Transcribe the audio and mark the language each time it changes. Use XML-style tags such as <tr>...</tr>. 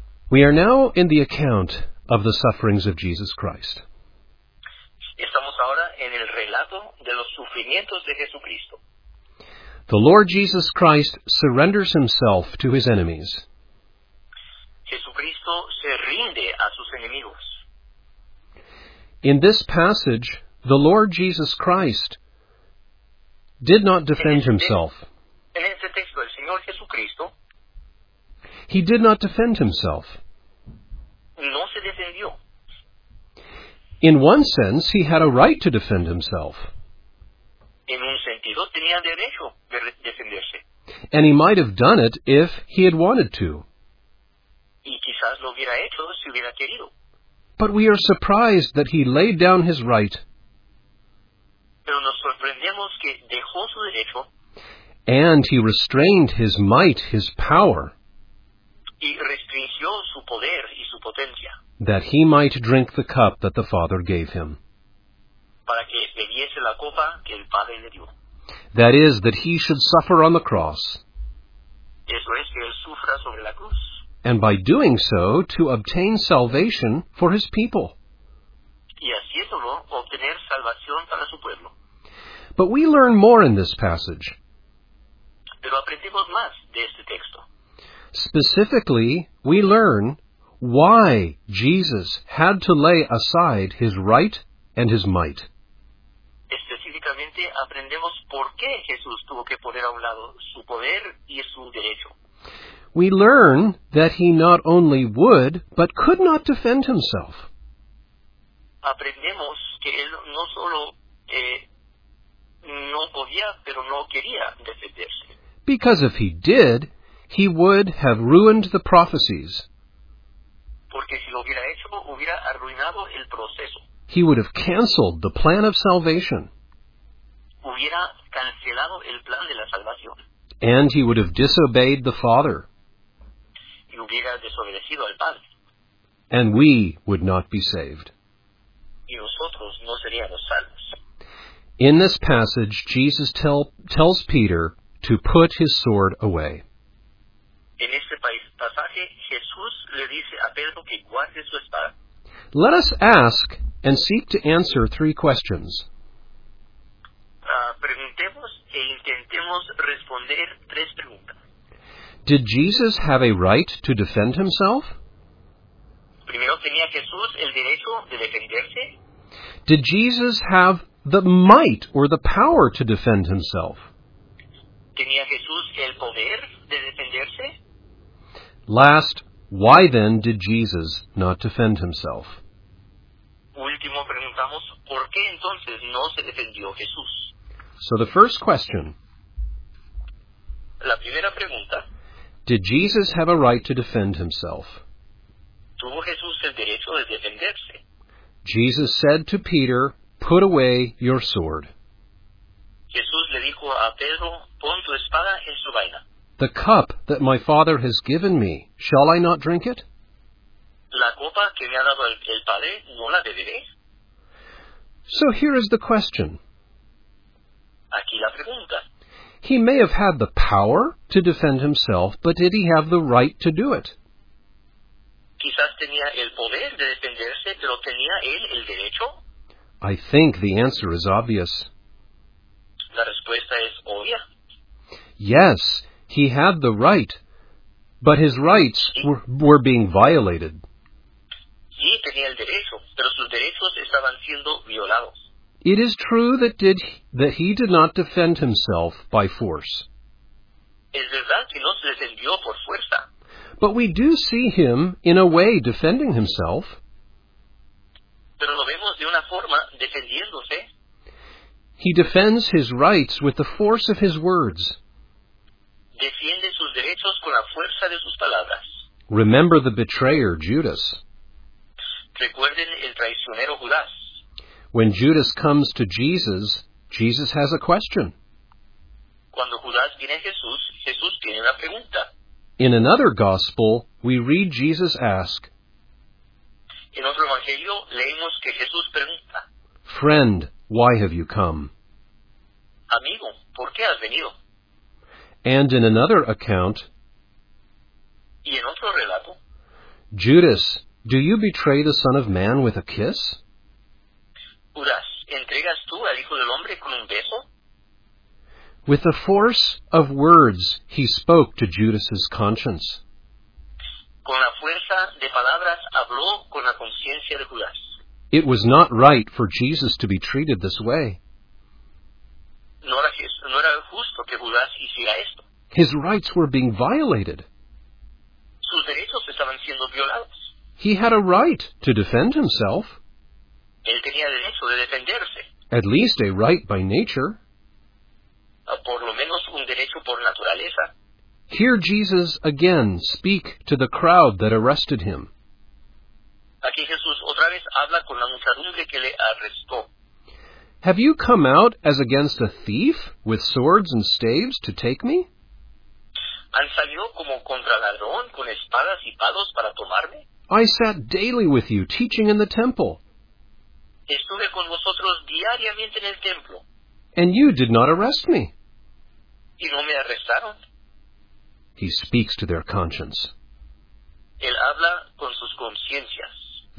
<en>We are now in the account of the sufferings of Jesus Christ.</en> <es>Estamos ahora en el relato de los sufrimientos de Jesucristo.</es> <en>The Lord Jesus Christ surrenders himself to his enemies.</en> <es>Jesucristo se rinde a sus enemigos.</es> <en>In this passage, the Lord Jesus Christ did not defend himself.</en> <es>En este texto, el Señor Jesucristo,</es> <en>he did not defend himself.</en> <es>No se defendió.</es> <en>In one sense, he had a right to defend himself.</en> <es>En un sentido, tenía derecho de defenderse.</es> <en>And he might have done it if he had wanted to.</en> <es>Y quizás lo hubiera hecho si hubiera querido.</es> <en>But we are surprised that he laid down his right.</en> <es>Pero nos sorprendemos que dejó su derecho.</es> <en>And he restrained his might, his power.</en> <es>Y restringió su poder y su potencia.</es> <en>That he might drink the cup that the Father gave him.</en> <es>Para que bebiese la copa que el Padre le dio.</es> <en>That is, that he should suffer on the cross.</en> <es>Eso es, que él sufra sobre la cruz.</es> <en>And by doing so, to obtain salvation for his people.</en> <es>Y haciéndolo, obtener salvación para su pueblo.</es> <en>But we learn more in this passage.</en> <es>Pero aprendemos más de este texto.</es> <en>Specifically, we learn why Jesus had to lay aside his right and his might.</en> <es>Específicamente, aprendemos por qué Jesús tuvo que poner a un lado su poder y su derecho.</es> <en>We learn that he not only would, but could not defend himself.</en> <es>Aprendemos que él no solo no podía, pero no quería defenderse.</es> <en>Because if he did, he would have ruined the prophecies.</en> <es>Porque si lo hubiera hecho, hubiera arruinado el proceso.</es> <en>He would have canceled the plan of salvation.</en> <es>Hubiera cancelado el plan de la salvación.</es> <en>And he would have disobeyed the Father.</en> <es>y hubiera desobedecido al Padre.</es> <en>And we would not be saved.</en> <es>Y nosotros no seríamos salvos.</es> <en>In this passage, Jesus tells Peter to put his sword away.</en> <es>En este pasaje, Jesús le dice a Pedro que guarde su espada.</es> <en>Let us ask and seek to answer three questions.</en> <es>Preguntemos e intentemos responder tres preguntas.</es> <en>Did Jesus have a right to defend himself?</en> <es>Primero, ¿tenía Jesús el derecho de defenderse?</es> <en>Did Jesus have the might or the power to defend himself?</en> <es>¿Tenía Jesús el poder de defenderse?</es> <en>Last, why then did Jesus not defend himself?</en> <es>Último, preguntamos, ¿por qué entonces no se defendió Jesús?</es> <en>So the first question.</en> <es>La primera pregunta.</es> <en>Did Jesus have a right to defend himself?</en> <es>¿Tuvo Jesús el derecho de defenderse?</es> <en>Jesus said to Peter, put away your sword.</en> <es>Jesús le dijo a Pedro, pon tu espada en su vaina.</es> <en>The cup that my Father has given me, shall I not drink it?</en> <es>La copa que me ha dado el Padre, ¿no la beberé?</es> <en>So here is the question.</en> <es>Aquí la pregunta.</es> <en>He may have had the power to defend himself, but did he have the right to do it?</en> <es>Quizás tenía el poder de defenderse, pero ¿tenía él el derecho?</es> <en>I think the answer is obvious.</en> <es>La respuesta es obvia.</es> <en>Yes, he had the right, but his rights were being violated.</en> <es>Sí, tenía el derecho, pero sus derechos estaban siendo violados.</es> <en>It is true that he did not defend himself by force.</en> <es>Es verdad que no se defendió por fuerza.</es> <en>But we do see him, in a way, defending himself.</en> <es>Pero lo vemos de una forma defendiéndose.</es> <en>He defends his rights with the force of his words.</en> <es>Defiende sus derechos con la fuerza de sus palabras.</es> <en>Remember the betrayer, Judas.</en> <es>Recuerden el traicionero Judas.</es> <en>When Judas comes to Jesus, Jesus has a question.</en> <es>Cuando Judas viene a Jesús, Jesús tiene una pregunta.</es> <en>In another gospel, we read Jesus ask.</en> <es>En otro evangelio, leemos que Jesús pregunta.</es> <en>Friend, why have you come?</en> <es>Amigo, ¿por qué has venido?</es> <en>And in another account,</en> <es>y en otro relato,</es> <en>Judas, do you betray the Son of Man with a kiss?</en> <es>Judas, ¿entregas tú al Hijo del Hombre con un beso?</es> <en>With the force of words, he spoke to Judas's conscience.</en> <es>Con la fuerza de palabras, habló con la conciencia de Judas.</es> <en>It was not right for Jesus to be treated this way.</en> <es>No era justo que Judas hiciera esto.</es> <en>His rights were being violated.</en> <es>Sus derechos estaban siendo violados.</es> <en>He had a right to defend himself.</en> <es>Él tenía derecho de defenderse.</es> <en>At least a right by nature.</en> <es>Por lo menos un derecho por naturaleza.</es> <en>Hear Jesus again speak to the crowd that arrested him.</en> <es>Aquí Jesús otra vez habla con la muchedumbre que le arrestó.</es> <en>Have you come out as against a thief with swords and staves to take me?</en> <es>¿Han salido como contra ladrón con espadas y palos para tomarme?</es> <en>I sat daily with you teaching in the temple.</en> <es>Estuve con vosotros diariamente en el templo.</es> <en>And you did not arrest me.</en> <es>¿Y no me arrestaron?</es> <en>He speaks to their conscience.</en> <es>Él habla con sus conciencias.</es>